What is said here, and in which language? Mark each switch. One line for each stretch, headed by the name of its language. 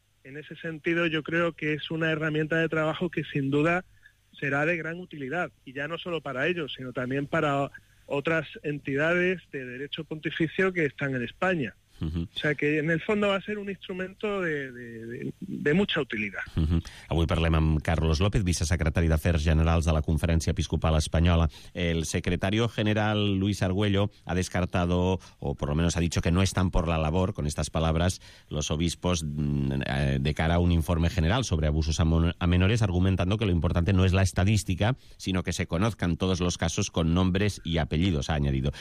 Spanish: En ese sentido, yo creo que es una herramienta de trabajo que sin duda será de gran utilidad, y ya no solo para ellos, sino también para otras entidades de derecho pontificio que están en España. O sea que en el fondo va a ser un instrumento de mucha utilidad.
Catalan: Avui parlem amb Carlos López, vicesecretari d'Afers Generals de la Conferència Episcopal Espanyola.
Spanish: El secretario general Luis Argüello ha descartado, o por lo menos ha dicho que no están por la labor, con estas palabras, los obispos de cara a un informe general sobre abusos a menores, argumentando que lo importante no es la estadística, sino que se conozcan todos los casos con nombres y apellidos, ha añadido.